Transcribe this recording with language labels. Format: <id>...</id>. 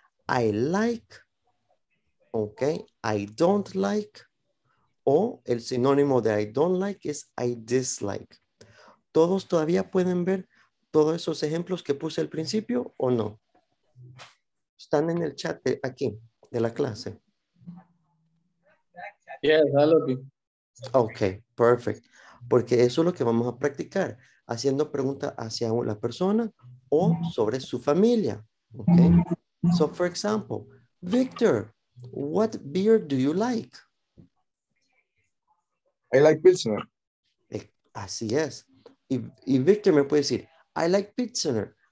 <en>I like, okay, I don't like,</en> <es>o el sinónimo de</es> <en>I don't like</en> <es>es</es> <en>I dislike.</en> <es>¿Todos todavía pueden ver todos esos ejemplos que puse al principio o no? Están en el chat de aquí, de la clase.</es> <en>Yes, I love you. Okay, perfect.</en> <es>Porque eso es lo que vamos a practicar, haciendo preguntas hacia la persona o sobre su familia.</es> <en>Okay. So, for example, Victor, what beer do you like? I like Pilsner.</en> <es>Así es. Y Victor me puede decir,</es> <en>I like Pilsner.</en>